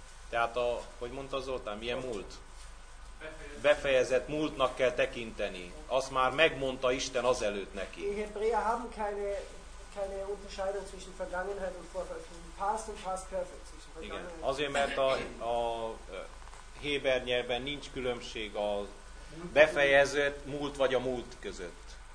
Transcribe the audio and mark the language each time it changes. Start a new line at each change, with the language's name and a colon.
Hungarian: Tehát a, hogy mondta Zoltán, milyen múlt? Befejezett múltnak kell tekinteni. Azt már megmondta Isten azelőtt neki.
German: Die Hebräer haben keine Unterscheidung zwischen Vergangenheit und Vorvergangenheit.
English: Past
German: und
English: past perfect.
Hungarian: Igen. Azért, mert a héber nyelven nincs különbség a befejezett múlt vagy a múlt között.